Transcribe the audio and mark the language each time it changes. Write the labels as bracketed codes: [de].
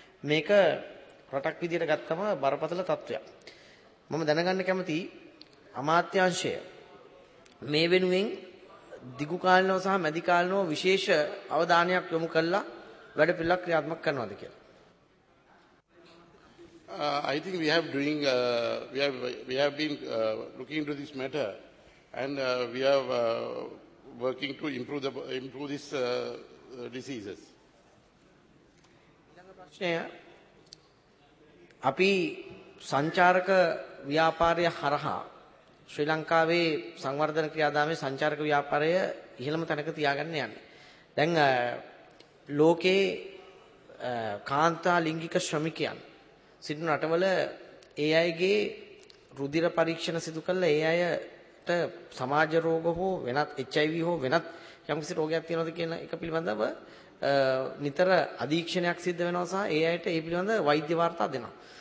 [si] මේක රටක් විදිහට ගත්තම බරපතල තත්ත්වයක්. මම දැනගන්න කැමතියි අමාත්‍යාංශය මේ වෙනුවෙන් දිගු කාලිනව සහ මැදි කාලිනව විශේෂ අවධානයක් යොමු කරලා වැඩ පිළිවෙලක් ක්‍රියාත්මක කරනවාද කියලා. [en] I think we have doing we have been looking into this matter and we have working to improve this diseases. [si] ඊළඟ ප්‍රශ්නය අපි සංචාරක ව්‍යාපාරය හරහා ශ්‍රී ලංකාවේ සංවර්ධන ක්‍රියාදාමයේ සංචාරක ව්‍යාපාරය ඉහළම තැනක තියාගන්න යන්නේ. දැන් ලෝකේ කාන්තා ලිංගික ශ්‍රමිකයන් සිටින රටවල ඒ අයගේ රුධිර පරීක්ෂණ සිදු කළා, ඒ අයට සමාජ රෝග හෝ වෙනත් HIV හෝ වෙනත් යම්කිසි රෝගයක් තියෙනවද කියන එක පිළිබඳව නිතර අධීක්ෂණයක් සිද්ධ වෙනවා සහ ඒ අයට ඒ පිළිබඳව වෛද්‍ය වාර්තා දෙනවා.